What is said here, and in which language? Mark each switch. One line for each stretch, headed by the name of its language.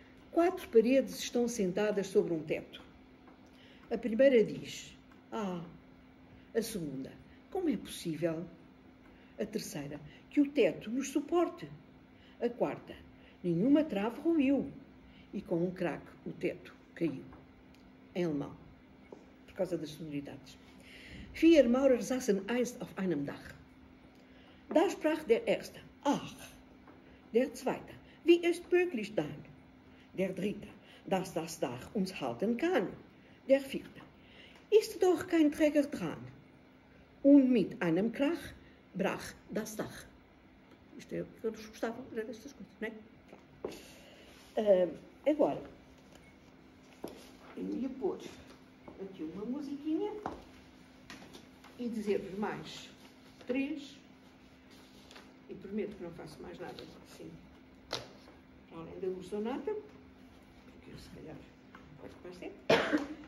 Portuguese: Quatro paredes estão sentadas sobre um teto. A primeira diz: ah. A segunda: como é possível? A terceira: que o teto nos suporte. A quarta: nenhuma trave ruiu. E com um craque o teto caiu, em alemão, por causa das sonoridades.
German: Vier Maurer saßen einst auf einem Dach. Da sprach der Erste: ach. Der Zweite: wie ist möglich dann? Der Dritte: dass das Dach uns halten kann. Der Vierte: ist doch kein Träger dran. Und mit einem Krach brach das Dach.
Portuguese: Isto é o que eles gostavam destas coisas, não é? Agora, eu ia pôr aqui uma musiquinha e dizer-vos mais três, e prometo que não faço mais nada assim, além da ursonata, porque se calhar pode passar.